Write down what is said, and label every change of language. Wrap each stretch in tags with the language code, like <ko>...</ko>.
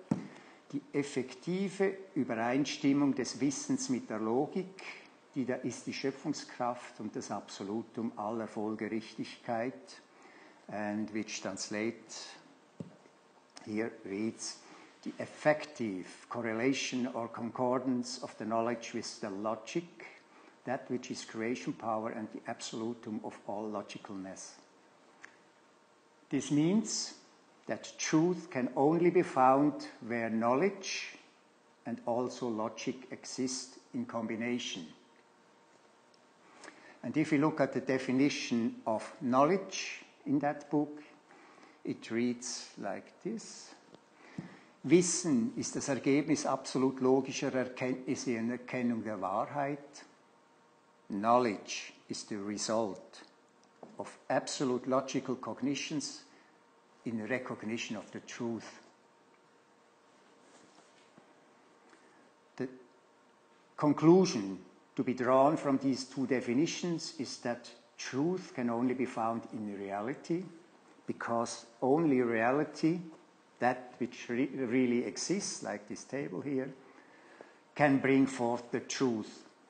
<de>Die effektive Übereinstimmung des Wissens mit der Logik, die da ist die Schöpfungskraft und das Absolutum aller Folgerichtigkeit.</de> <en>And which translates here reads, the effective correlation or concordance of the knowledge with the logic, that which is creation power and the absolutum of all logicalness. This means that truth can only be found where knowledge and also logic exist in combination. And if you look at the definition of knowledge in that book, it reads like this.</en> <de>Wissen ist das Ergebnis absolut logischer Erkenntnisse in Erkennung der Wahrheit.</de> <en>Knowledge is the result of absolute logical cognitions in recognition of the truth. The conclusion to be drawn from these two definitions is that truth can only be found in reality, because only reality, that which really exists, like this table here, can bring forth the truth.</en>